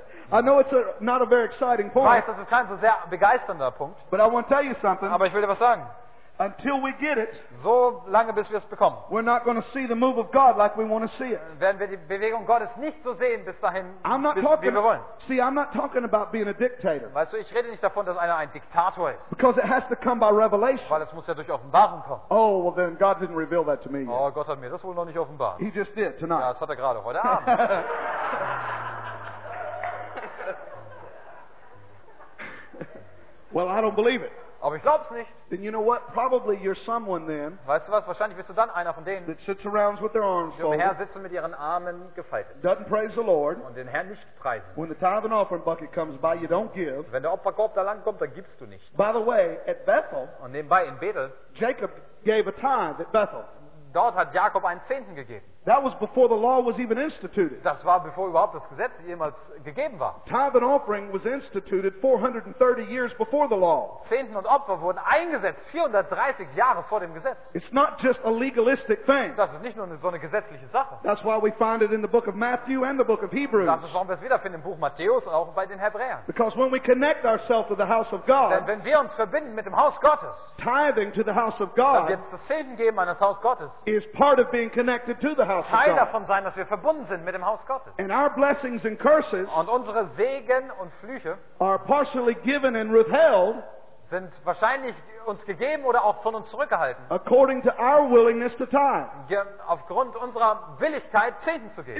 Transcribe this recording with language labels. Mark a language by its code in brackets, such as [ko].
[en] I know it's not a very exciting point. [de] Weiß, das ist kein so sehr begeisternder Punkt. [en] But I want to tell you something. [de] Aber ich will dir was sagen. [en] Until we get it, [de] so lange bis wir es bekommen, [en] we're not going to see the move of God like we want to see it. [de] Werden wir die Bewegung Gottes nicht so sehen bis dahin, wie wir wollen. [en] See, I'm not talking about being a dictator. [de] Weißt du, ich rede nicht davon, dass einer ein Diktator ist. [en] Because it has to come by revelation. [de] Weil es muss ja durch Offenbarung kommen. [en] Oh, well then God didn't reveal that to me yet. [de] Oh, Gott hat mir das wohl noch nicht offenbart. [en] He just did tonight. [de] Ja, das hat gerade heute Abend. [en] Well, I don't believe it. [de] Aber ich glaub's nicht. [en] Then you know what? Probably you're someone then. [de] Weißt du was? Wahrscheinlich bist du dann einer von denen. [en] That sits around with their arms folded. [de] Die umher sitzen mit ihren Armen gefaltet. [en] Doesn't praise the Lord. [de] Und den Herrn nicht preisen. [en] When the tithe and offering bucket comes by, you don't give. [de] Wenn der Opferkorb da lang kommt, dann gibst du nicht. [en] By the way, at Bethel. [de] Und nebenbei in Bethel. [en] Jacob gave a tithe at Bethel. [de] Dort hat Jakob einen Zehnten gegeben. [en] That was before the law was even instituted. [de] Das war bevor überhaupt das Gesetz jemals gegeben war. [en] Tithe and offering was instituted 430 years before the law. [de] Zehnten und Opfer wurden eingesetzt 430 Jahre vor dem Gesetz. [en] It's not just a legalistic thing. [de] Das ist nicht nur so eine gesetzliche Sache. [en] That's why we find it in the book of Matthew and the book of Hebrews. [de] Das ist, warum wir es wiederfinden im Buch Matthäus und auch bei den Hebräern. [en] Because when we connect ourselves to the house of God, [de] denn wenn wir uns verbinden mit dem Haus Gottes, [en] tithing to the house of God, [de] dann wird es das Zehnten geben eines Haus Gottes. [en] Is part of being connected to the house of God. [de] Teil davon sein, dass wir verbunden sind mit dem Haus Gottes. [en] And our blessings and curses [de] und unsere Segen und Flüche [en] are partially given and withheld [de] sind wahrscheinlich uns gegeben oder auch von uns zurückgehalten. [en] According to our willingness to tithe. [de] Aufgrund unserer Willigkeit Zehnten zu geben.